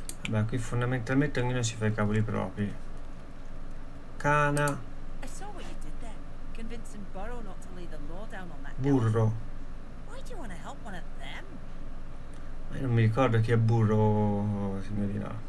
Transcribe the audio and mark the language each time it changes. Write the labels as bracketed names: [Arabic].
[Italian] Beh, qui fondamentalmente ognuno si fa i cavoli propri. Cana. [English] I saw what you did there, convincing Burrow not to lay the law down on that. Burro. Why do you want to help one of them? [Italian] Io non mi ricordo chi è Burro, signorina.